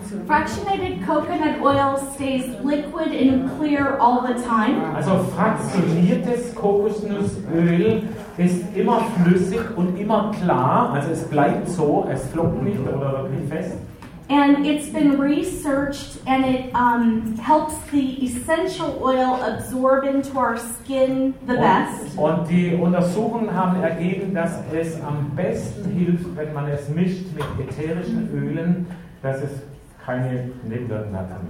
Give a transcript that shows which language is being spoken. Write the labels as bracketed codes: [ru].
[en] Fractionated coconut oil stays liquid and clear all the time. [de] Also fraktioniertes Kokosnussöl ist immer flüssig und immer klar. Also es bleibt so, es flockt nicht oder wird nicht fest. [en] And it's been researched and it helps the essential oil absorb into our skin the best. [de] Und die Untersuchungen haben ergeben, dass es am besten hilft, wenn man es mischt mit ätherischen Ölen, dass es keine Nebenwirkungen hat.